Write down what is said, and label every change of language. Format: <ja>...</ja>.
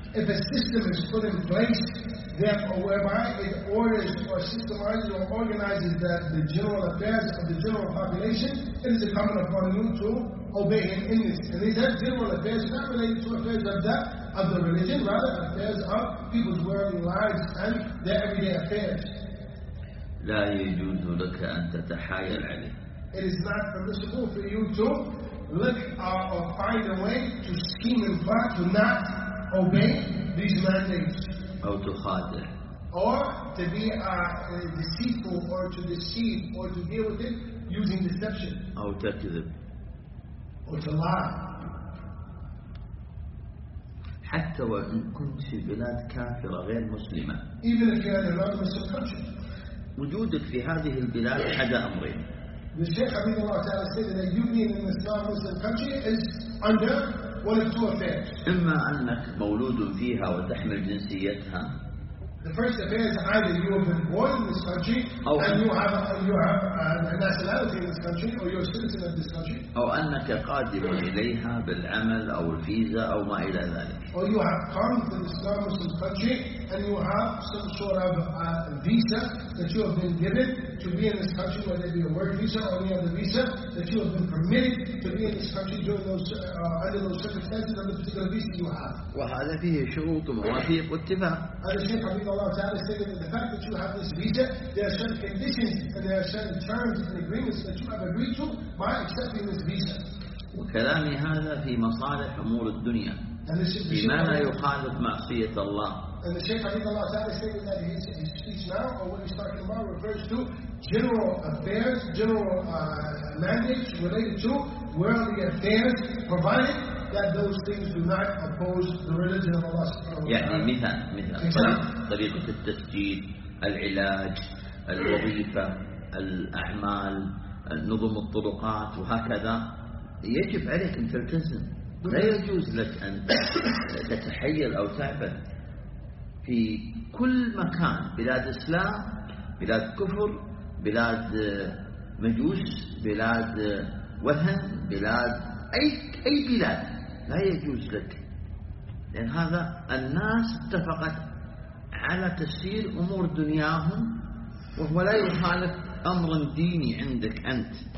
<en>If a system is put in place, therefore, whereby it orders or systemizes or organizes the general affairs of the general population, it is incumbent upon you to obey him in this. And these are general affairs not related to affairs of the religion, rather affairs of people's worldly lives and their everyday affairs.</en> <ar>لا يجوز لك أن تتحايل عليه.</ar> <en>It is not permissible for you to look or find a way to scheme and plot to not obey these mandates.</en> <ar>أو تخادع.</ar> <en>Or to be deceitful or to deceive or to deal with it using deception.</en> <ar>أو تكذب.</ar> <en>Or to lie.</en> <ar>حتى وإن كنت في بلاد كافرة غير مسلمة.</ar> <en>Even if you're in a non-Muslim country.</en> <ar>وجودك في هذه البلاد أحد أمرين.</ar> <en>The Shaykh Habib Allah Ta'ala said that you being in this non-Muslim country is under one of two affairs.</en> <ar>إما أنك مولود فيها وتحمل جنسيتها.</ar> <en>The first affair is either you have been born in this country and you have a nationality in this country, or you're a citizen of this country.</en> <ar>أو أنك قادم إليها بالعمل أو الفيزا أو ما إلى ذلك.</ar> <en>Or you have come to this Muslim country and you have some sort of visa that you have been given to be in this country, whether it be a work visa or any other visa, that you have been permitted to be in this country during those under those circumstances of the particular visa you have.</en> <ar>وهذا فيه شروط ومواثيق واتفاق.</ar> <en>Allah Ta'ala stated that the fact that you have this visa, there are certain conditions and there are certain terms and agreements that you have agreed to by accepting this visa.</en> <ar>وكلامي هذا في مصالح أمور الدنيا. بما لا يخالف معصية الله.</ar> <en>And the Shaykh Habib Allah Ta'ala stated that his speech now, or what he's talking about, refers to general affairs, general mandates related to worldly affairs, provided that those things do not oppose the religion of Allah Subhanahu wa Ta'ala.</en> <ar>طريقة التسجيل، العلاج، الوظيفة، الأعمال، نظم الطرقات وهكذا يجب عليك أن تلتزم. لا يجوز لك أن تتحيل أو تعبث في كل مكان، بلاد إسلام، بلاد كفر، بلاد مجوس، بلاد وهم، بلاد أي بلاد، لا يجوز لك، لأن هذا الناس اتفقت على تسيير أمور دنياهم وهو لا يخالف أمر ديني عندك أنت.</ar>